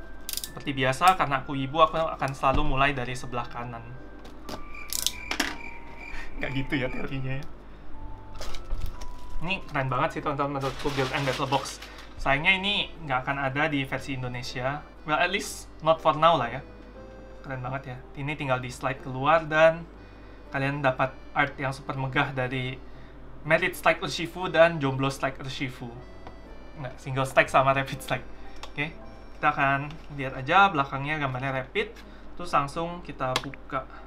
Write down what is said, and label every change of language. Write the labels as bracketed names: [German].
[Indonesian] Seperti biasa, karena aku ibu, aku akan selalu mulai dari sebelah kanan. Nggak gitu ya teorinya. Ini keren banget sih, teman-teman, menurutku Build and Battle Box. Sayangnya ini nggak akan ada di versi Indonesia. [English] Well, at least not for now lah ya. [Indonesian] Keren banget ya. Ini tinggal di slide keluar dan kalian dapat art yang super megah dari Merit Strike Urshifu dan Jomblo Strike Urshifu. Nggak, Single Strike sama Rapid Strike. Oke. Okay. Kita akan lihat aja belakangnya gambarnya rapid, terus langsung kita buka.